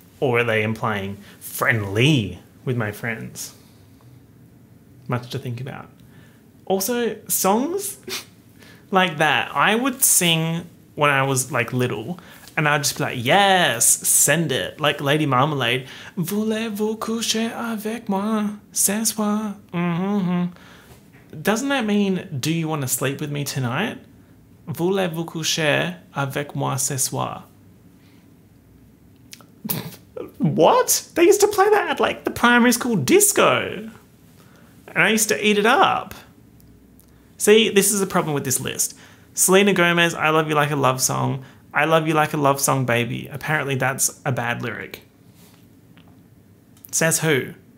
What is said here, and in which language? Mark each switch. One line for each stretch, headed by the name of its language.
English: Or are they implying friendly with my friends? Much to think about. Also, songs like that, I would sing when I was, like, little, and I'd just be like, yes, send it. Like Lady Marmalade.
French: Voulez-vous coucher avec moi, ce soir?
English: Doesn't that mean, do you want to sleep with me tonight?
French: Voulez-vous coucher avec moi, ce soir?
English: What? They used to play that at, like, the primary school disco. And I used to eat it up. See, this is the problem with this list. Selena Gomez, I Love You Like a Love Song. I Love You Like a Love Song, Baby. Apparently that's a bad lyric. Says who?